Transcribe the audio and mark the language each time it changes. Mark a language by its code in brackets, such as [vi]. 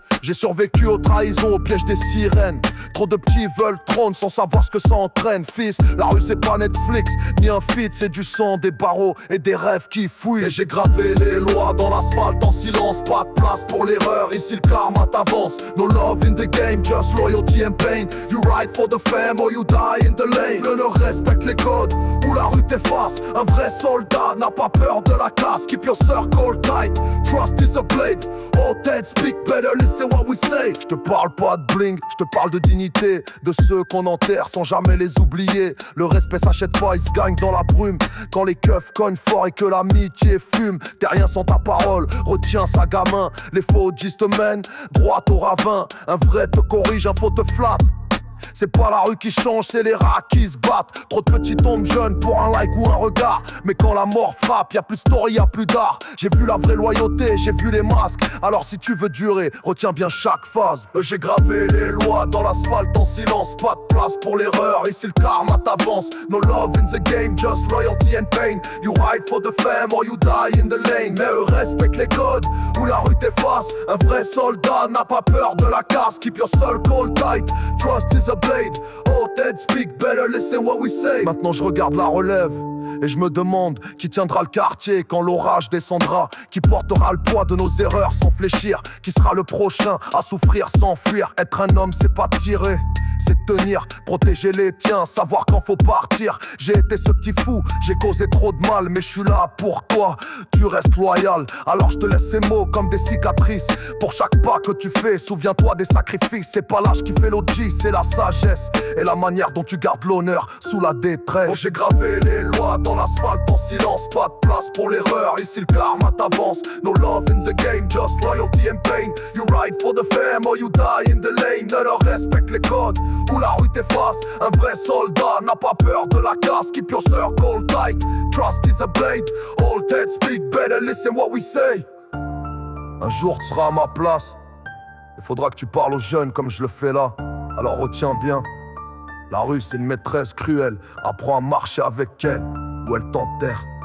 [fr] J'ai survécu aux trahisons, aux pièges des sirènes. Trop de petits veulent trône sans savoir ce que ça entraîne. Fils, la rue c'est pas Netflix, ni un feed. C'est du sang, des barreaux et des rêves qui fouillent. Et j'ai gravé les lois dans l'asphalte en silence. Pas de place pour l'erreur, ici le karma t'avance. [en] No love in the game, just loyalty and pain. You ride for the fame or you die in the lane. [fr] Le nœud respecte les codes ou la rue t'efface. Un vrai soldat n'a pas peur de la casse. [en] Keep your circle tight, trust is a blade. All heads speak better, listen what we say. [fr] J'te parle pas de bling, j'te parle de dignité. De ceux qu'on enterre sans jamais les oublier. Le respect s'achète pas, il se gagne dans la brume. Quand les keufs cognent fort et que l'amitié fume. T'es rien sans ta parole, retiens sa gamin. Les faux dis te mènent droit au ravin. Un vrai te corrige, un faux te flatte. C'est pas la rue qui change, c'est les rats qui se battent. Trop de petits tombent jeunes pour un like ou un regard. Mais quand la mort frappe, y'a plus story, y'a plus d'art. J'ai vu la vraie loyauté, j'ai vu les masques. Alors si tu veux durer, retiens bien chaque phase. J'ai gravé les lois dans l'asphalte en silence. Pas de place pour l'erreur, ici le karma t'avance. [en] No love in the game, just loyalty and pain. You ride for the fame or you die in the lane. [fr] Mais eux respectent les codes ou la rue t'efface. Un vrai soldat n'a pas peur de la casse. [en] Keep your circle tight, trust is a blade. Oh, dead speak, better listen what we say. [fr] Maintenant je regarde la relève et je me demande qui tiendra le quartier quand l'orage descendra. Qui portera le poids de nos erreurs sans fléchir. Qui sera le prochain à souffrir sans fuir. Être un homme c'est pas tirer, c'est tenir, protéger les tiens, savoir quand faut partir. J'ai été ce petit fou, j'ai causé trop de mal. Mais je suis là pour toi, tu restes loyal. Alors je te laisse ces mots comme des cicatrices. Pour chaque pas que tu fais, souviens-toi des sacrifices. C'est pas l'âge qui fait l'OG, c'est la sagesse. Et la manière dont tu gardes l'honneur sous la détresse. Oh, j'ai gravé les lois dans l'asphalte en silence. Pas de place pour l'erreur, ici le karma t'avance. [en] No love in the game, just loyalty and pain. You ride for the fame or you die in the lane. [fr] Ne leur respecte les codes où la rue t'efface. Un vrai soldat n'a pas peur de la casse. [en] Keep your circle tight, trust is a blade. All heads speak better, listen what we say. [fr] Un jour tu seras à ma place. Il faudra que tu parles aux jeunes comme je le fais là. Alors retiens bien, la rue c'est une maîtresse cruelle. Apprends à marcher avec elle ou elle t'enterre.